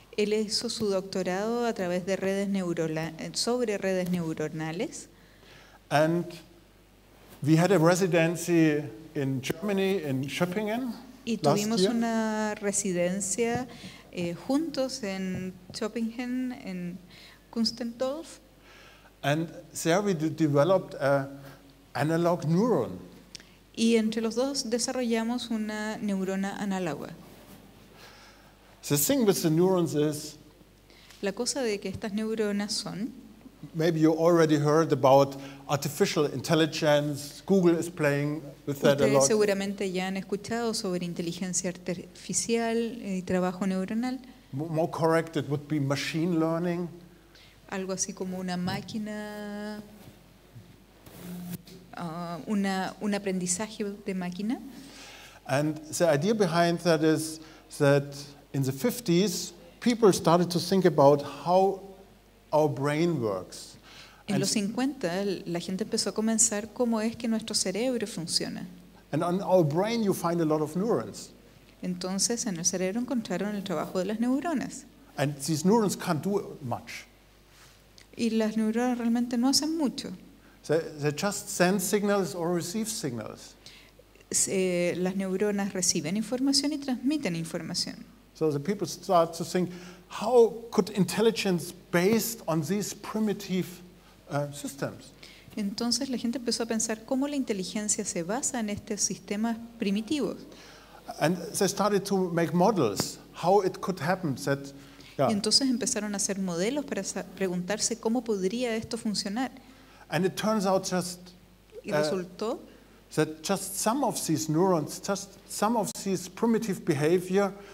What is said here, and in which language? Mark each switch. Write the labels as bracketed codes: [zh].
[es] Él hizo su doctorado a través de redes sobre redes neuronales. [en] And we had a residency in Germany in Schöppingen. [es] Y tuvimos una residencia juntos en Schöppingen en Kunstendorf. [en] And there we developed a analog neuron. [es] Y entre los dos desarrollamos una neurona análoga. [en] The thing with the neurons is. [es] La cosa de que estas neuronas son. [en] Maybe you already heard about artificial intelligence. Google is playing with that a lot. [es] Ustedes seguramente ya han escuchado sobre inteligencia artificial y trabajo neuronal. [en] More correct, it would be machine learning. [es] Algo así como una máquina. Un aprendizaje de máquina. [en] And the idea behind that is that in the 50s, people started to think about how our brain works. [es] En los 50, la gente empezó a comenzar cómo es que nuestro cerebro funciona. [en] And on our brain, you find a lot of neurons. [es] Entonces, en el cerebro encontraron el trabajo de las neuronas. [en] And these neurons can't do much. [es] Y las neuronas realmente no hacen mucho. [en] They just send signals or receive signals. [es] Las neuronas reciben información y transmiten información. [en] So the people start to think, how could intelligence based on these primitive systems? [es] Entonces la gente empezó a pensar cómo la inteligencia se basa en estos sistemas primitivos. [en] And they started to make models how it could happen that. Yeah. [es] Y entonces empezaron a hacer modelos para preguntarse cómo podría esto funcionar. [en] And it turns out just that just some of these neurons, just some of these primitive behavior.